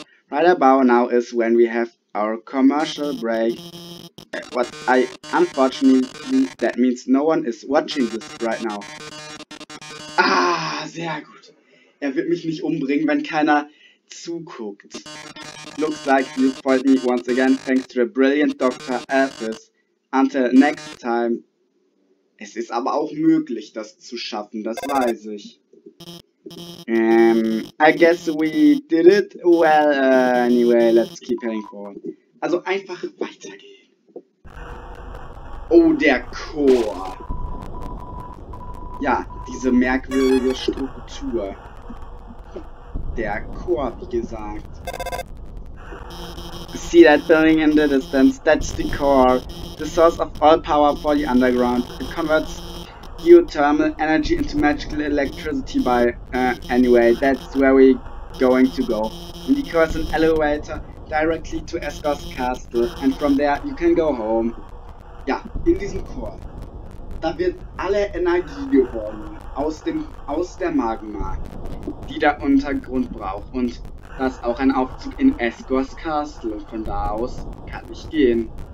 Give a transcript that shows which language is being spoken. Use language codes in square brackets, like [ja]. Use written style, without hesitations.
[en] Right about now is when we have our commercial break. What? Unfortunately, that means no one is watching this right now. [de] Ah, sehr gut. Er wird mich nicht umbringen, wenn keiner zuguckt. [en] Looks like you foiled me once again, thanks to the brilliant Dr. Alphys. Until next time. [de] Es ist aber auch möglich, das zu schaffen, das weiß ich. [en] I guess we did it. Well, anyway, let's keep heading forward. [de] Also einfach weitergehen. Oh, der Chor. Ja, diese merkwürdige Struktur. Der Chor, wie gesagt. [en] See that building in the distance? That's the core. The source of all power for the underground. It converts geothermal energy into magical electricity by, anyway, that's where we're going to go. And he calls an elevator directly to Asgore's castle, and from there you can go home. [de] Ja, in diesem Chor, da wird alle Energie gewonnen aus der Magma, die der Untergrund braucht, und da ist auch ein Aufzug in Asgore's Castle, und von da aus kann ich gehen.